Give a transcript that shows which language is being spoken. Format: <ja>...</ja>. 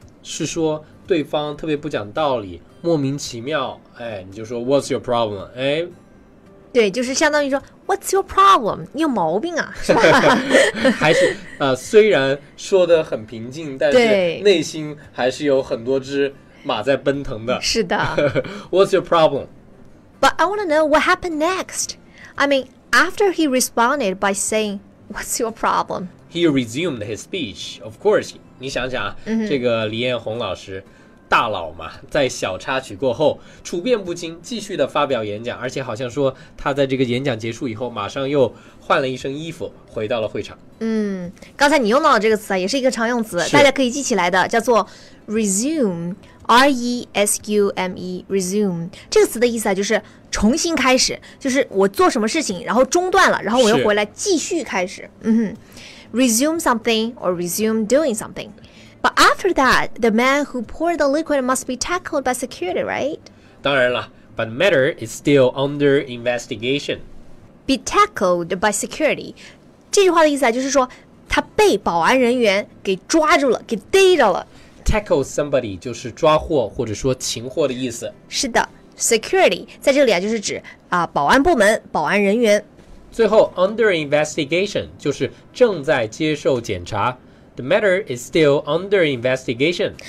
<zh>是说对方特别不讲道理莫名其妙哎你就说</zh> <en>What's your problem</en> <zh>哎对就是相当于说</zh> <en>What's your problem</en> <zh>你有毛病啊是吧还是虽然说的很平静但是内心还是有很多只马在奔腾的是的</zh> <en>What's your problem? But I want to know what happened next. I mean, after he responded by saying, what's your problem? He resumed his speech. Of course,</en> <zh>你想想、 mm-hmm. 这个李彦宏老师大佬嘛在小插曲过后处变不惊继续的发表演讲而且好像说他在这个演讲结束以后马上又换了一身衣服回到了会场。嗯，刚才你用到的这个词、啊、也是一个常用词大家可以记起来的叫做 resume,R-E-S-U-M-E, resume. 这个词的意思、啊、就是重新开始就是我做什么事情然后中断了然后我又回来继续开始。</zh> <en>嗯哼 resume something or resume doing something. But after that, the man who poured the liquid must be tackled by security, right?</en> <zh>当然了</zh> <en>but the matter is still under investigation. Be tackled by security.</en> <zh>这句话的意思、啊、就是说他被保安人员给抓住了给逮着了。</zh> <en>Tackle somebody</en> <zh>就是抓获或者说擒获的意思是的 Security 在这里、啊、就是指、保安部门保安人员最后</zh> <en>Under investigation</en> <zh>就是正在接受检查</zh> <en>The matter is still under investigation</en>